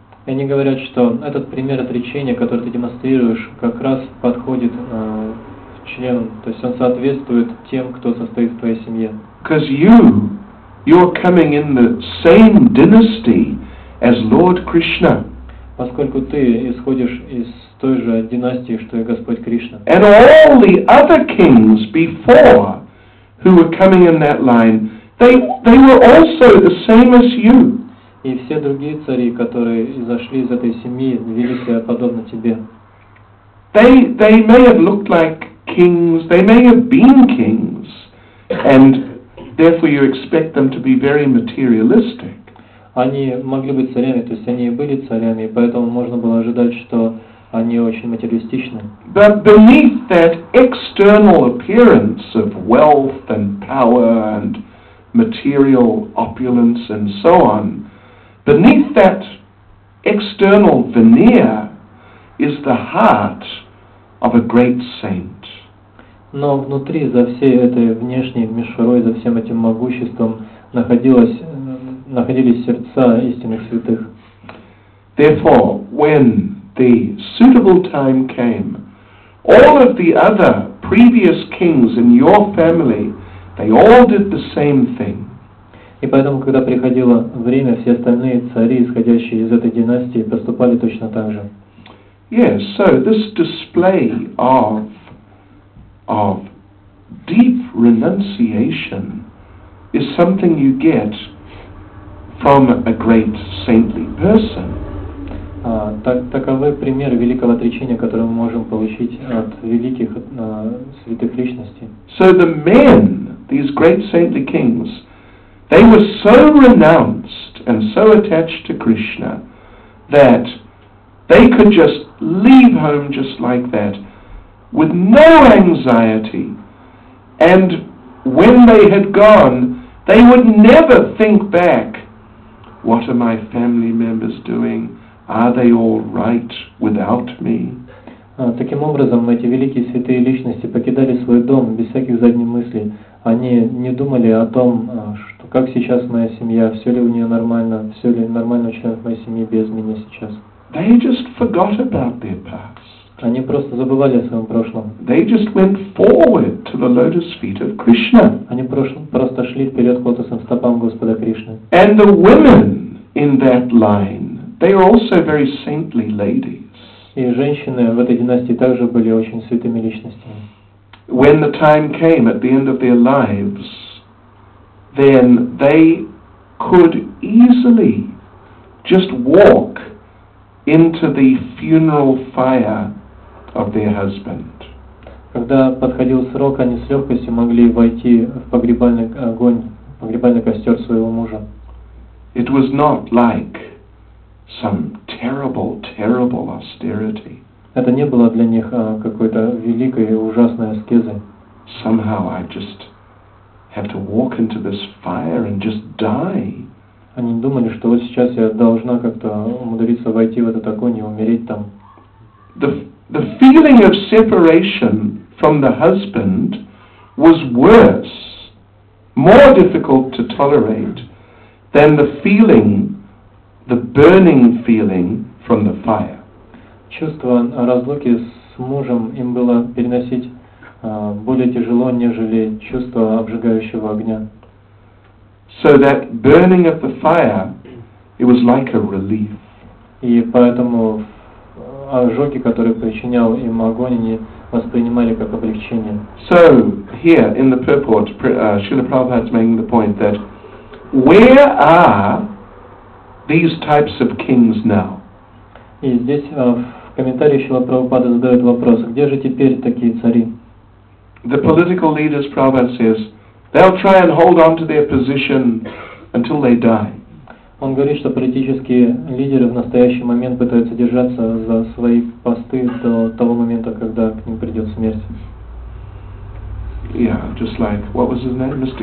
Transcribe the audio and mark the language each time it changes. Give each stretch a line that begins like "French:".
Russian: Они говорят, что этот пример отречения, который ты демонстрируешь, как раз подходит членам, то есть он соответствует тем, кто состоит в твоей семье.
English: Because you're coming in the same dynasty as Lord Krishna.
Russian: Поскольку ты исходишь из той же династии, что и Господь Кришна.
English: And all the other kings before who were coming in that line, they were also the same as you.
Russian: И все другие цари, которые изошли из этой семьи, вели себя подобно тебе.
English: They may have looked like kings, they may have been kings, and therefore you expect them to be very materialistic.
Russian: Они могли быть царями, то есть они и были царями, поэтому можно было ожидать, что они очень материалистичны.
English: But beneath that external appearance of wealth and power and material opulence and so on, beneath that external veneer is the heart of a great saint.
Russian: Но внутри за всей этой внешней мишурой, за всем этим могуществом находились сердца истинных святых.
English: Therefore, when the suitable time came, all of the other previous kings in your family, they all did the same thing.
Russian: И поэтому, когда приходило время, все остальные цари, исходящие из этой династии, поступали точно так же.
English: Yes, so this display of deep renunciation is something you get from a great saintly person.
Russian: Таковы примеры великого отречения, которые мы можем получить от великих святых личностей.
English: So the men, these great saintly kings, they were so renounced and so attached to Krishna that they could just leave home just like that with no anxiety. And when they had gone, they would never think back, what are my family members doing? Are they all right without me?
Russian: Таким образом, эти великие святые личности покидали свой дом без всяких задних мыслей. Они не думали о том, что как сейчас моя семья, все ли у нее нормально, все ли нормально у членов моей семьи без меня сейчас.
English: They just forgot about their past.
Russian: Они просто забывали о своем прошлом.
English: They just went forward to the lotus feet of Krishna.
Russian: Они просто шли вперед к лотосным стопам Господа Кришны.
English: And the women in that line, they are also very saintly ladies.
Russian: И женщины в этой династии также были очень святыми личностями.
English: When the time came at the end of their lives, then they could easily just walk into the funeral fire of their husband.
Russian: Когда подходил срок, они с легкостью могли войти в погребальный огонь, в погребальный костер своего мужа.
English: It was not like some terrible, terrible austerity.
Russian: Это не было для них какой-то великой и ужасной аскезой.
English: Somehow I just have to walk into this fire and just die.
Russian: Они думали, что вот сейчас я должна как-то умудриться войти в этот огонь и умереть там.
English: The feeling of separation from the husband was worse, more difficult to tolerate than the feeling, the burning feeling from the fire.
Russian: Чувство разлуки с мужем им было переносить более тяжело, нежели чувство обжигающего огня.
English: So that burning of the fire, it was like a relief.
Russian: И поэтому ожоги, которые причинял им огонь, они воспринимали как облегчение.
English: So here in the purport, Srila Prabhupada is making the point that where are these types of kings now?
Russian: И здесь в комментариях Шрила Прабхупада задают вопрос: где же теперь такие цари?
English: The political leaders, Prabhupada says, they'll try and hold on to their position until they die.
Russian: Он говорит, что политические лидеры в настоящий момент пытаются держаться за свои посты до того момента, когда к ним придет смерть.
English: Yeah, just like, what was his name, Mr.